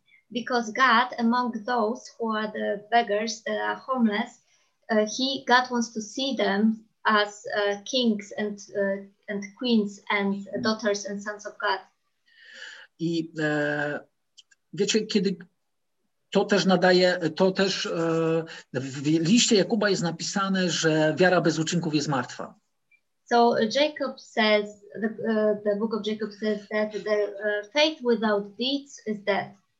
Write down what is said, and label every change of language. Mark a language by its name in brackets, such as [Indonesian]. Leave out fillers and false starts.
[English] Because God, among those who are the beggars, the homeless, God wants to see them as kings and queens and daughters and sons of God. [Polish] I wiecie, kiedy to też nadaje, to też w liście Jakuba jest napisane, że wiara bez uczynków jest martwa. [English] So Jacob says, the book of Jacob says that the faith without deeds is dead.